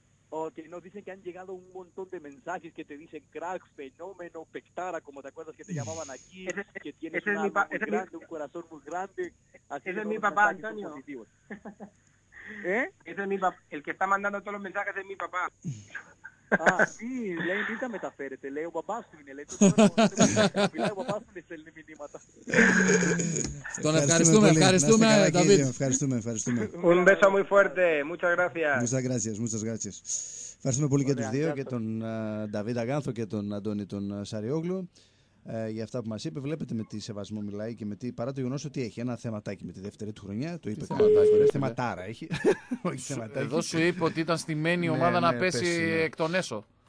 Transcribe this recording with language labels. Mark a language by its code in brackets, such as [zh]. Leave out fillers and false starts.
[es] Okay, nos dicen que han llegado un montón de mensajes que te dicen crack, fenómeno, pectara, como te acuerdas que te llamaban aquí, que tienes un alma muy grande, un corazón muy grande. Ese es mi papá, Antonio. ¿Eh? Ese es mi papá. El que está mandando todos los mensajes es mi papá. Ah, sí, [el] λέει μην τα μεταφέρετε, λέει ο μπαμπάς του είναι, λέει το μπαμπάς του είναι σε ελληνικά μηνύματα. Τον ευχαριστούμε, ευχαριστούμε, Νταβίτ. Ευχαριστούμε, ευχαριστούμε. [es] Un beso muy fuerte, muchas gracias. Muchas gracias, muchas gracias. [el] Ευχαριστούμε πολύ και τους δύο, και τον Νταβίτ Αγάνθο και τον Αντώνη τον Σαριόγλου. Για αυτά που μας είπε, βλέπετε με τι σεβασμό μιλάει και με τι, παρά το γεγονός ότι έχει ένα θεματάκι με τη δεύτερη του χρονιά, το είπε θεματάκι. Ωραία, θεματάρα έχει. Όχι θεματάκι. Εδώ σου είπε ότι ήταν στημένη η ομάδα να πέσει εκ των έσω.